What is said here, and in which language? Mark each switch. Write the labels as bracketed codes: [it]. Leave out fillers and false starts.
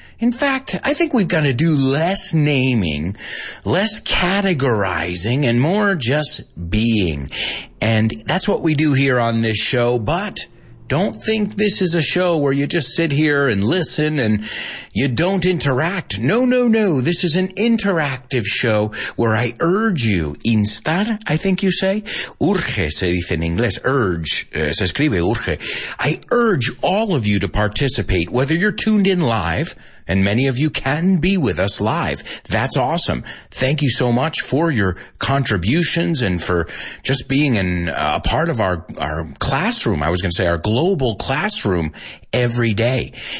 [en] In fact, I think we've got to do less naming, less categorizing, and more just being. And that's what we do here on this show, but don't think this is a show where you just sit here and listen and you don't interact. No, no, no. This is an interactive show where I urge you, instar, I think you say. [es] Urge, se dice en inglés, urge, se escribe urge. [en] I urge all of you to participate, whether you're tuned in live, and many of you can be with us live. That's awesome. Thank you so much for your contributions and for just being in a part of our classroom. I was going to say our global classroom every day.